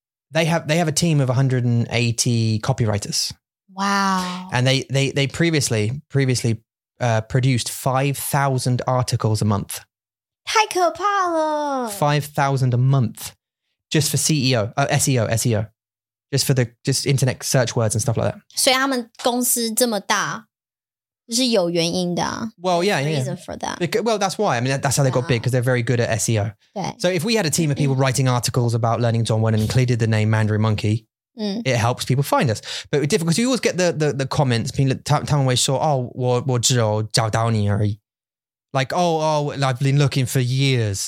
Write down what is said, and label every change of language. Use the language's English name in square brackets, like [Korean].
[English] They have a team of 180 copywriters. Wow. And they previously produced 5,000 articles a month. [Chinese] 太可怕了. [English] 5,000 a month, just for SEO. Just internet search words and stuff like that. [Chinese] 所以他们公司这么大是有原因的。 [English] Well, yeah. Reason for that. Well, that's why. I mean, that's how they got big, because they're very good at SEO. [Chinese] 对。 [English] So if we had a team of people writing articles about learning Zhongwen and included the name Mandarin Monkey, it helps people find us. But it's difficult, because you always get the comments, people, like, I've been looking for years.